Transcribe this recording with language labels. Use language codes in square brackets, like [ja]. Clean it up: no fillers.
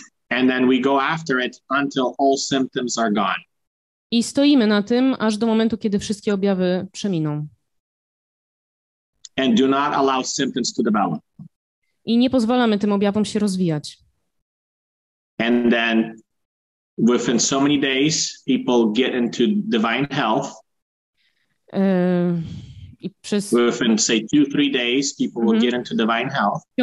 [en] And then we go after it until all symptoms are gone. [pl] I stoimy na tym, aż do momentu, kiedy wszystkie objawy przeminą. [en] And do not allow symptoms to develop. [pl] I nie pozwalamy tym objawom się rozwijać. [en] And then within so many days, people get into divine health. [pl] I przez [en] within say 2-3 days people will get into divine health.